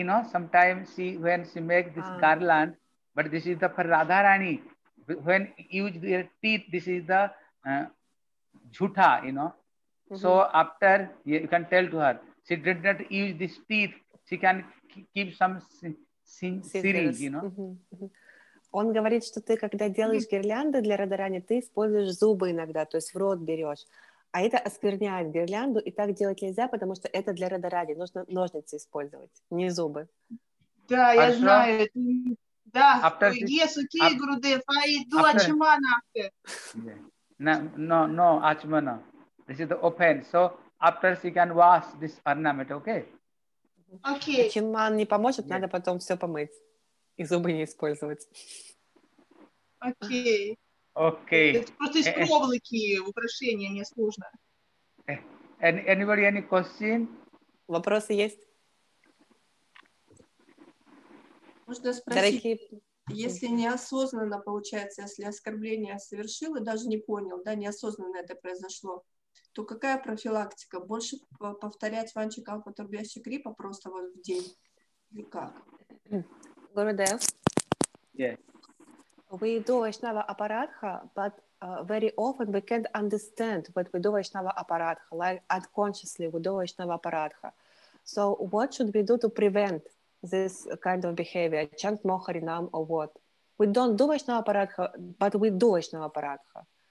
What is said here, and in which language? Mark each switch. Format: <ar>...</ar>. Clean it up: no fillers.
<en>Sometimes she when she make this garland, but this is the for Radharani. When use their teeth, this is the jhutha, you know. Mm-hmm. So after you can tell to her, she did not use this teeth. She can keep some syringe, you know. Mm-hmm.</en> <ru>Он говорит, что ты когда делаешь гирлянды для Радарани, ты используешь зубы иногда, то есть в рот берешь. А это оскверняет гирлянду, и так делать нельзя, потому что это для Радарани. Нужно ножницы использовать, не зубы. Да, я знаю. Да,</ru> <en>yes, okay, Gurudev, I do Achimana after. No, Achimana. This is the open. So, after she can wash this ornament, okay? Okay.</en> <ru>Achimana не поможет, надо потом все помыть. И зубы не использовать.</ru> <en>Okay. Okay.</en> <ru>Это просто из проволоки украшения, не сложно.</ru> <en>Anybody, any question?</en> <ru>Вопросы есть? Можно спросить, дорогие... если неосознанно, получается, если оскорбление совершил и даже не понял, да, неосознанно это произошло, то какая профилактика? Больше повторять ванчи калпа турбяща крипа просто вот в день? И как? Гурудев?</ru> <en>Yes. We do Vaishnava Aparadha, but very often we can't understand what we do Vaishnava Aparadha, like unconsciously we do Vaishnava Aparadha. So what should we do to prevent this kind of behavior? Chant Moharinam or what? We don't do Vaishnava Aparadha, but we do Vaishnava Aparadha.</en>